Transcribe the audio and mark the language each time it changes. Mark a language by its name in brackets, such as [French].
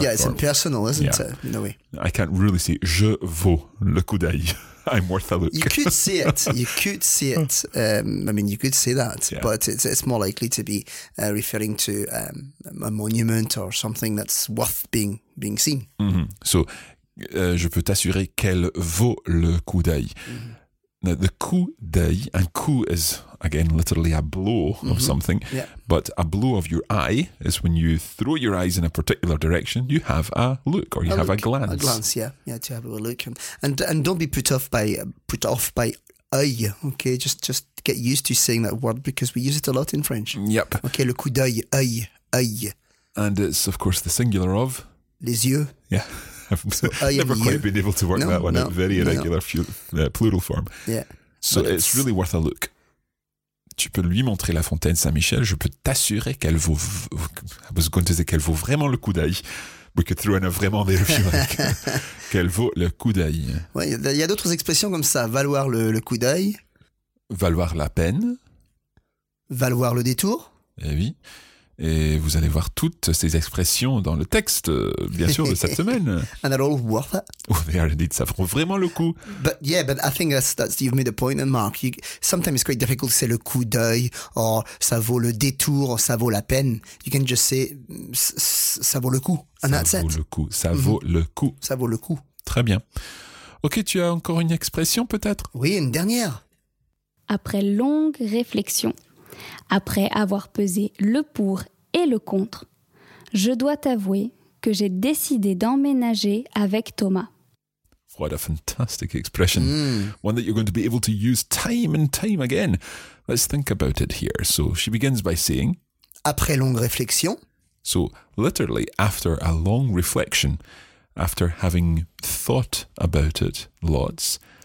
[English] Yeah, it's impersonal, isn't it? In a way. I can't really say, [French] je vaux le coup d'œil. [English] I'm worth a look. You could see it. You could see it. I mean, you could say that, but it's more likely to be referring to a monument or something that's worth being seen. Mm-hmm. [French] So, je peux t'assurer qu'elle vaut le coup d'œil. [English] Mm-hmm. Now, the coup d'œil, and coup is, again, literally a blow mm-hmm. of something. Yeah. But a blow of your eye is when you throw your eyes in a particular direction, you have a look or you have a glance. A glance, yeah. Yeah, to have a look. And don't be put off by œil, okay? Just get used to saying that word because we use it a lot in French. Yep. [French] Okay, le coup d'œil, œil, œil. [English] And it's, of course, the singular of? [French] Les yeux. [English] Yeah. I've never quite been able to work that one out. Very irregular plural form. Yeah. So it's really worth a look. [French] Tu peux lui montrer la fontaine Saint-Michel. Je peux t'assurer qu'elle vaut. [English] I was going to say [French] qu'elle vaut vraiment le coup d'œil. [English] We could throw in a vraiment there if you like. [French] Qu'elle vaut le coup d'œil. Oui, il y a d'autres expressions comme ça. Valoir le coup d'œil. Valoir la peine. Valoir le détour. Eh oui. Et vous allez voir toutes ces expressions dans le texte, bien sûr, de cette semaine. [English] And they're all worth it. Oh, they are indeed. [French] Ça vaut vraiment le coup. [English] But yeah, but I think that's you've made a point, Mark. Sometimes it's quite difficult to say le coup d'œil, or [French] ça vaut le détour, [English] or [French] ça vaut la peine. [English] You can just say [French] ça vaut le coup, [English] and [French] ça [English] that's it. [French] Ça vaut le coup. Ça mm-hmm. vaut le coup. Ça vaut le coup. Très bien. Ok, tu as encore une expression, peut-être? Oui, une dernière. Après longue réflexion, après avoir pesé le pour et le contre, je dois t'avouer que j'ai décidé d'emménager avec Thomas. [English] What a fantastic expression. Mm. One that you're going to be able to use time and time again. Let's think about it here. So she begins by saying... Après longue réflexion. So literally, after a long reflection, after having thought about it lots...